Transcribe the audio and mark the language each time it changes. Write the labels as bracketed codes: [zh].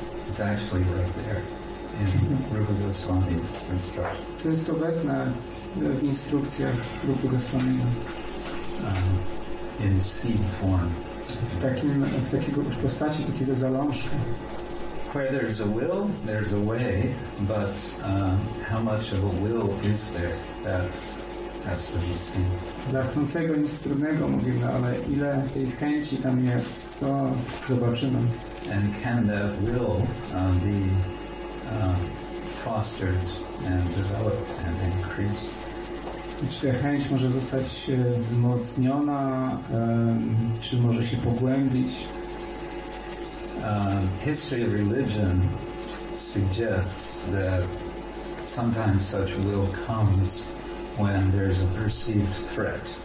[en] It's actually right there in Rupa Goswami's instruction. [pl] To jest obecne w instrukcjach Rupy Goswamiego. [en] In seed form. [pl] W takim, w takiego postaci, takiego zalążka. [en] Where there's a will, there's a way, but how much of a will is there that has to be seen? [pl] Dla chcącego nic trudnego mówimy, ale ile tej chęci tam jest, to zobaczymy. [en] And can that will be fostered and developed and increased? [pl] I czy ta chęć może zostać wzmocniona, czy może się pogłębić? [en] History of religion suggests that sometimes such will comes when there's a perceived threat.